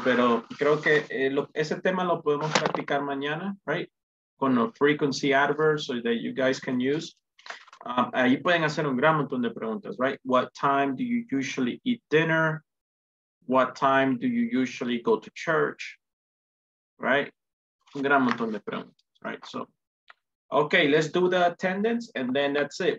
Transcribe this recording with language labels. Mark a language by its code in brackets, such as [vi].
[es] Pero creo que ese tema lo podemos practicar mañana, right? Con los [en] frequency adverbs that you guys can use. [es] Ahí pueden hacer un gran montón de preguntas, right? [en] What time do you usually eat dinner? What time do you usually go to church? Right? [es] Un gran montón de preguntas, [en] right? So, okay, let's do the attendance and then that's it.